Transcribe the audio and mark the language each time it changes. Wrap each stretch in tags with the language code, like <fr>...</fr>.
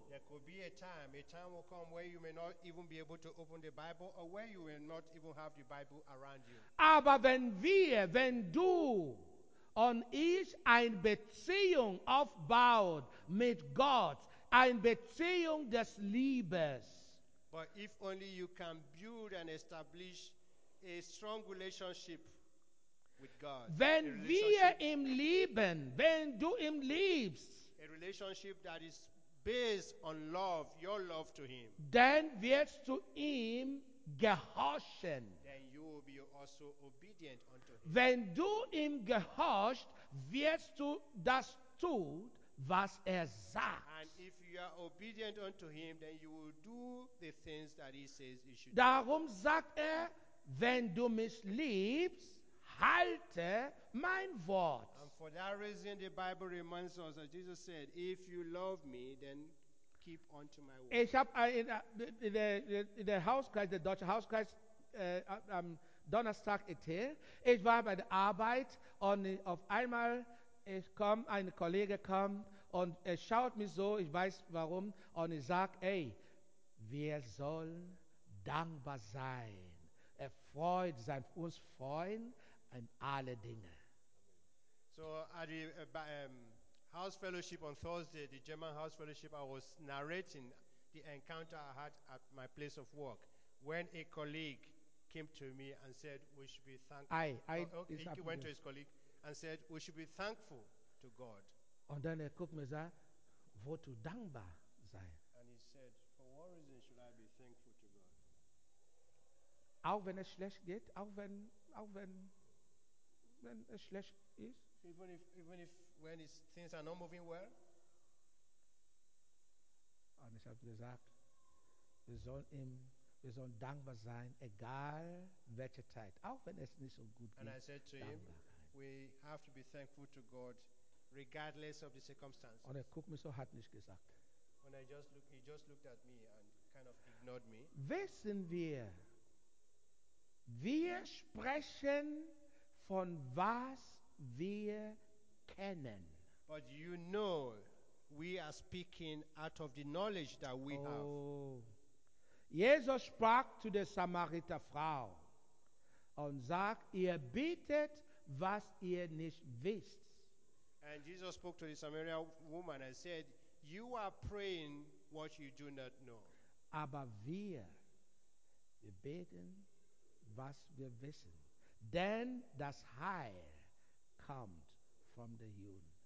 <en>There could be a time will come where you may not even be able to open the Bible, or where you will not even have the Bible around you.</en> <de>Aber wenn du und ich eine Beziehung aufbaut mit Gott, eine Beziehung des Liebes.</de> <en>But if only you can build and establish a strong relationship with God.</en> <de>Wenn wir ihn lieben, wenn du ihn liebst,</de> <en>a relationship that is based on love, your love to him,</en> <de>dann wirst du ihm gehorchen.</de> <en>Then you will be also obedient unto him.</en> <de>Wenn du ihm gehorcht, wirst du das tun, was sagt.</de> <en>And if you are obedient unto him, then you will do the things that he says you should.</en> <de>Darum sagt wenn du mich liebst, halte mein Wort.</de> <en>And for that reason, the Bible reminds us, as Jesus said, if you love me, then keep on to my word.</en> <de>Ich habe in der deutschen Hauskreis, am Donnerstag erzählt, ich war bei der Arbeit und auf einmal ein Kollege kam und schaut mich so, ich weiß warum, und ich sage, wir sollen dankbar sein. Freut sein, uns freuen, in alle Dinge.</de> <en>So at the house fellowship on Thursday, the German house fellowship, I was narrating the encounter I had at my place of work when a colleague came to me and said we should be thankful. He went to his colleague and said we should be thankful to God.</en> <de>Und dann guckt mir sagt, wo du dankbar sein.</de> <en>And he said, for what reason should I be thankful to God?</en> <de>Auch wenn es schlecht geht, auch wenn es schlecht ist.</de> <en>Even when things are not moving well.</en> <de>Und ich habe gesagt, wir sollen dankbar sein, egal welche Zeit, auch wenn es nicht so gut geht.</de> <en>And I said to him, we have to be thankful to God regardless of the circumstances.</en> <de>Und guckt mich so, hat nicht gesagt.</de> <en>And he just looked at me and kind of ignored me.</en> <de>Wissen wir sprechen von was wir kennen.</de> <en>But you know, we are speaking out of the knowledge that we have.</en> <de>Jesus sprach zu der Samariter Frau und sagt, ihr bittet, was ihr nicht wisst.</de> <en>And Jesus spoke to the Samaritan woman and said, you are praying what you do not know.</en> <de>Aber wir beten, was wir wissen. Denn das Heil kommt</de> <en>from the</en> <de>Juden.</de>